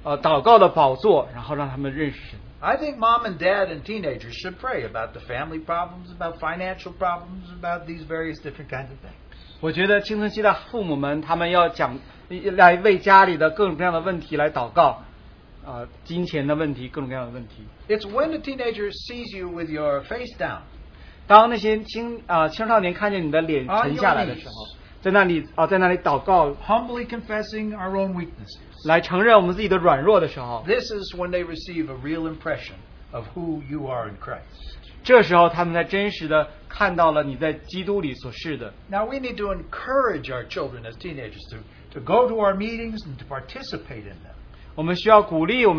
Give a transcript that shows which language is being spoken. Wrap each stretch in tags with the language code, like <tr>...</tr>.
<zh>但是尤其当他们到青春期的时候，我们要把他们带到家里的祷告的宝座，然后让他们认识神。</zh> <en>I think mom and dad and teenagers should pray about the family problems, about financial problems, about these various different kinds of things.</en> <zh>我觉得青春期的父母们，他们要讲，来为家里的各种各样的问题来祷告，金钱的问题，各种各样的问题。</zh> <en>It's when a teenager sees you with your face down.</en> <zh>当那些青少年看见你的脸沉下来的时候，在那里祷告，</zh> <en>humbly confessing our own weaknesses.</en> <zh>来承认我们自己的软弱的时候，</zh> <en>this is when they receive a real impression of who you are in Christ.</en> <zh>这时候他们才真实地看到了你在基督里所示的。</zh> <en>Now we need to encourage our children as teenagers to go to our meetings and to participate in them.</en>